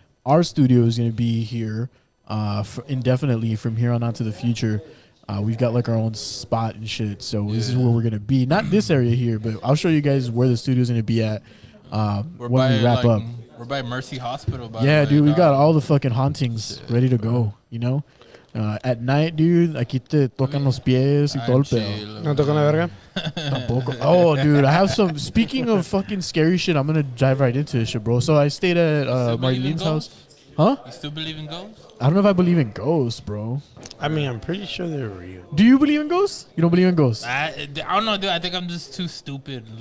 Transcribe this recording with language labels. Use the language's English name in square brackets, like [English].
[English] Our studio is going to be here indefinitely from here on out to the future. We've got like our own spot and shit. So this is where we're going to be. Not this area here, but I'll show you guys where the studio is going to be at when we wrap up. We're by Mercy Hospital. Dude, we've got all the fucking hauntings ready to go, you know? At night, dude, [Spanish] aquí te tocan los pies y todo el pedo. ¿No tocan la verga? Tampoco. [English] Oh, dude, I have some. Speaking of fucking scary shit, I'm going to dive right into this shit, bro. So I stayed at Marlene's house. Huh? You still believe in ghosts? I don't know if I believe in ghosts, bro. I mean, I'm pretty sure they're real. Do you believe in ghosts? You don't believe in ghosts? I don't know, dude. I think I'm just too stupid.